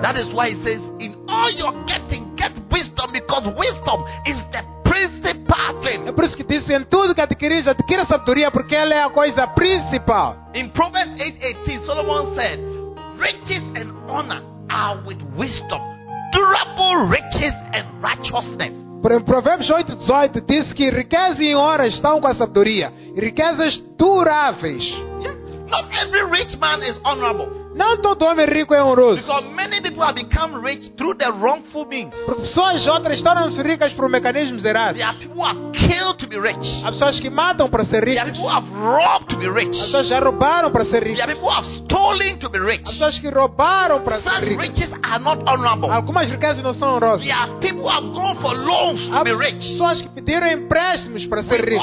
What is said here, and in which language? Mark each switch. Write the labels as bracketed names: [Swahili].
[English] That is why it says, in all your getting, get wisdom, because wisdom is the principal thing. [Portuguese] É por isso que diz, em tudo que adquirir, adquira sabedoria, porque ela é a coisa principal. [English] In Proverbs 8:18, Solomon said, riches and honor are with wisdom. Durable riches and righteousness. [Portuguese] Em Provérbios 8:18 diz que riquezas em horas estão com a sabedoria, riquezas duráveis. [English] Not every rich man is honorable. [Portuguese] Não todo homem rico é honroso. [English] Because many people have become rich through the wrongful means. [Portuguese] Pessoas outras tornam-se ricas por mecanismos errados. [English] There are people who are killed to be rich. [Portuguese] Há pessoas que matam para ser ricas. [English] There are people who have robbed to be rich. [Portuguese] Há pessoas que roubaram para ser ricas. [English] There are people who have stolen to be rich. [Portuguese] Há pessoas que roubaram para [English] Such [Portuguese] ser ricas. [English] Riches are not honorable. [Portuguese] Algumas riquezas não são honrosas. [English] There are people who have gone for loans to be rich. [Portuguese] Há pessoas que pediram empréstimos para ser ricas.